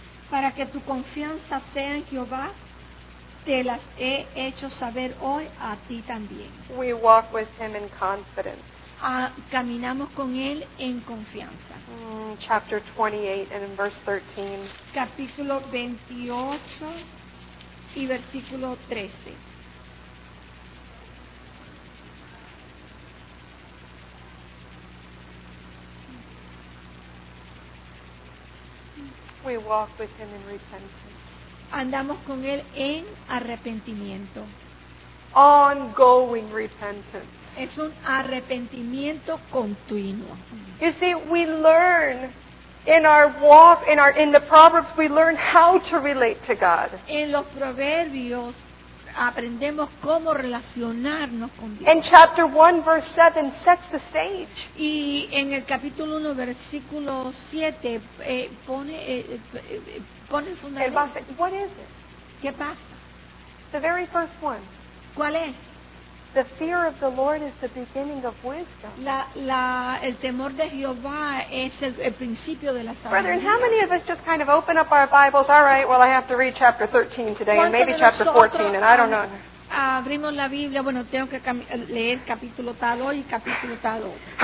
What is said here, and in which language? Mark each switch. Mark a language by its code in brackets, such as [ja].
[es] Para que tu confianza sea en Jehová, te las he hecho saber hoy a ti también. [en] We walk with him in confidence. [es] Caminamos con él en confianza. [en] Chapter 28 and in verse 13. [es] Capítulo 28 y versículo 13. [en] We walk with him in repentance. [es] Andamos con él en arrepentimiento. [en] Ongoing repentance. [es] Es un arrepentimiento continuo. [en] You see, we learn in our walk, in the Proverbs, we learn how to relate to God. [es] En los proverbios aprendemos cómo relacionarnos con Dios. [en] And chapter 1, verse 7 sets the stage. [es] Y en el capítulo 1, versículo 7 pone el fundamento. [en] What is it? [es] ¿Qué pasa? [en] The very first one. [es] ¿Cuál es? [en] The fear of the Lord is the beginning of wisdom. [es] El temor de Jehová es el principio de la sabiduría. [en] Brethren, how many of us just kind of open up our Bibles? All right, well, I have to read chapter 13 today, and maybe chapter 14, and I don't know. [es] Abrimos la Biblia. Bueno, tengo que leer capítulo tal hoy y capítulo tal hoy.